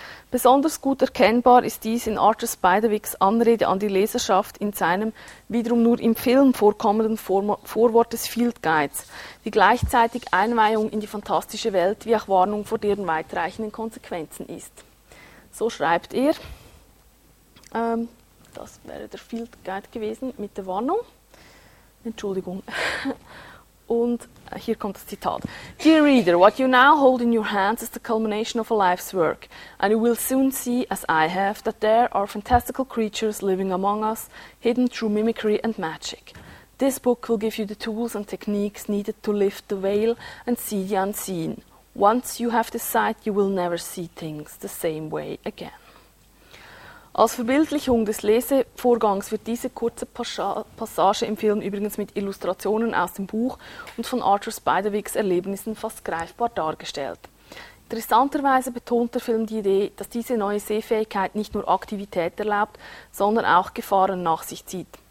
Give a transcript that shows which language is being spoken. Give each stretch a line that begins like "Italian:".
German: Besonders gut erkennbar ist dies in Archer Spiderwicks Anrede an die Leserschaft in seinem wiederum nur im Film vorkommenden Vorwort des Field Guides, die gleichzeitig Einweihung in die fantastische Welt wie auch Warnung vor deren weitreichenden Konsequenzen ist. So schreibt er, das wäre der Field Guide gewesen mit der Warnung, Entschuldigung, und hier kommt das Zitat.
English: Dear reader, what you now hold in your hands is the culmination of a life's work, and you will soon see, as I have, that there are fantastical creatures living among us, hidden through mimicry and magic. This book will give you the tools and techniques needed to lift the veil and see the unseen. Once you have this sight, you will never see things the same way again.
German: Als Verbildlichung des Lesevorgangs wird diese kurze Passage im Film übrigens mit Illustrationen aus dem Buch und von Archer Spiderwicks Erlebnissen fast greifbar dargestellt. Interessanterweise betont der Film die Idee, dass diese neue Sehfähigkeit nicht nur Aktivität erlaubt, sondern auch Gefahren nach sich zieht.